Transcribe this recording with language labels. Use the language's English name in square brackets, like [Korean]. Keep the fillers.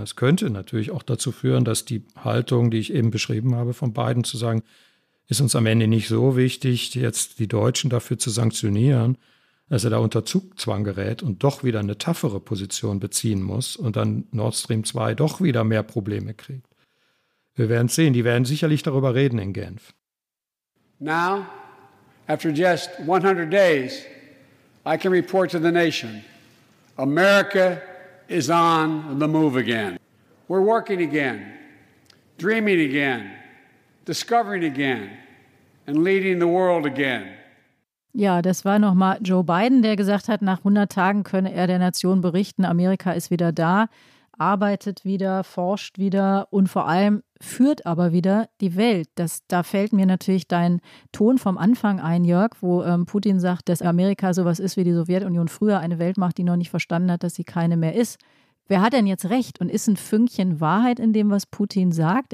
[German] Es könnte natürlich auch dazu führen, dass die Haltung, die ich eben beschrieben habe, von beiden zu sagen, ist uns am Ende nicht so wichtig, jetzt die Deutschen dafür zu sanktionieren, dass er da unter Zugzwang gerät und doch wieder eine taffere Position beziehen muss und dann Nord Stream 2 doch wieder mehr Probleme kriegt. Wir werden sehen, die werden sicherlich darüber reden in Genf. [English] Now, after just 100 days, I can report to the nation, America is on the move again. We're working again, dreaming again discovering again and leading the world again. [German] Ja, das war nochmal Joe Biden, der gesagt hat, nach 100 Tagen könne er der Nation berichten, Amerika ist wieder da, arbeitet wieder, forscht wieder und vor allem führt aber wieder die Welt. Das, da fällt mir natürlich dein Ton vom Anfang ein, Jörg, wo ähm, Putin sagt, dass Amerika sowas ist wie die Sowjetunion früher, eine Welt macht, die noch nicht verstanden hat, dass sie keine mehr ist wer hat denn jetzt recht und ist ein Fünkchen Wahrheit in dem, was Putin sagt?